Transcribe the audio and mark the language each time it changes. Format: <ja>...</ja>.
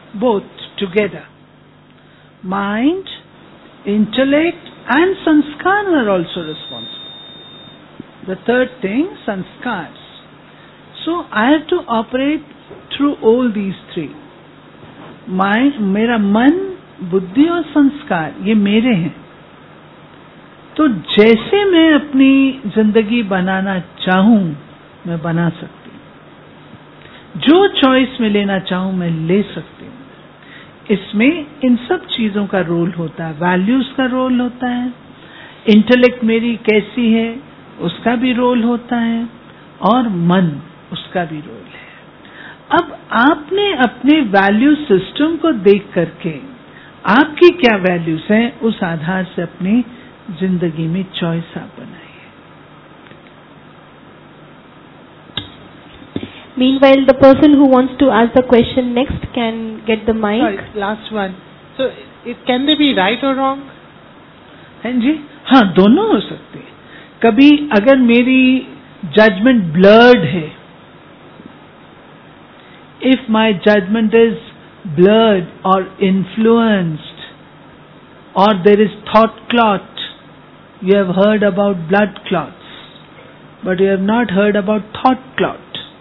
<en>Both together. Mind, intellect and sanskar are also responsible. The third thing, sanskars. So I have to operate through all these three.</en> <ur>میرا من, بدھی اور سنسکار یہ میرے ہیں. تو جیسے میں اپنی زندگی بنانا چاہوں میں بنا سکتی ہوں, جو چوائس میں لینا چاہوں میں لے سکتی ہوں. اس میں ان سب چیزوں کا رول ہوتا ہے, ویلیوز کا رول ہوتا ہے, انٹلیکٹ میری کیسی ہے اس کا بھی رول ہوتا ہے اور من اس کا بھی رول. اب آپ نے اپنے ویلیو سسٹم کو دیکھ کر کے آپ کی کیا ویلیوز ہیں, اس آدھار سے اپنی زندگی میں چوائس آپ بنائیے.</ur> <en>Meanwhile the person who wants to ask the question next can get the mic. Last one, so it can they be right or wrong?</en> <ur>ہاں جی, ہاں دونوں ہو سکتے. کبھی اگر میری ججمنٹ بلرڈ ہے,</ur> <en>if my judgment is blurred or influenced or there is thought clot, you have heard about blood clots but you have not heard about thought clot.</en>